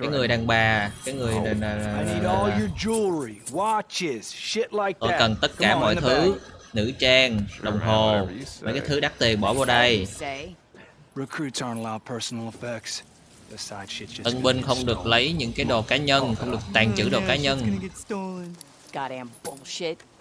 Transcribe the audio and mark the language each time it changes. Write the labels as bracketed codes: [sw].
[vi] are. Cái người đàn bà, cái người đàn bà. [en] I need all your jewelry, watches, shit like that. [vi] Tôi cần tất cả mọi thứ, nữ trang, đồng hồ, mấy cái thứ đắt tiền bỏ vào đây. [en] Recruits aren't allowed personal effects. [vi] Tân binh không được lấy những cái đồ cá nhân, không được tàng trữ đồ cá nhân. [en] Goddamn bullshit.